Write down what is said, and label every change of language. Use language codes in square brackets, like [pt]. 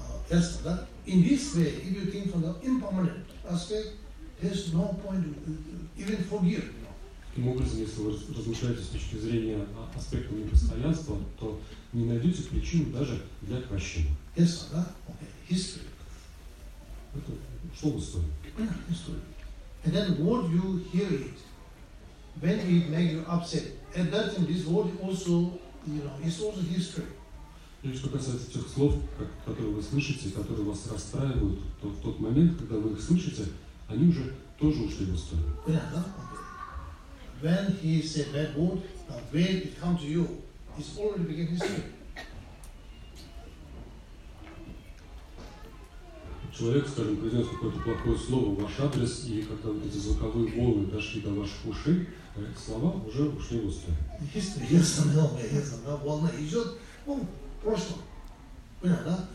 [en] Yes, that in this way, if you think from the impermanent aspect, there's no point even forgive. [ru] Таким образом, если вы размышляете с точки зрения аспекта непостоянства, то не найдете причину даже для прощения. [en] Yes, that okay. History. [ru] Это что в истории? [en] History. And then what you hear it when it makes you upset. And that in this word also, you know, it's also history. [ru] То есть, что касается тех слов, которые вы слышите, которые вас расстраивают, то в тот момент, когда вы их слышите, они уже тоже ушли в историю. Понятно? [en] When he said bad word, the way it comes to you, it's already beginning history. [ru] Человек, скажем, произнес какое-то плохое слово в ваш адрес, и когда вот эти звуковые волны дошли до ваших ушей, слова уже ушли в историю. [en] History, yes, [ru] волна идет. Прошло. Понятно, да?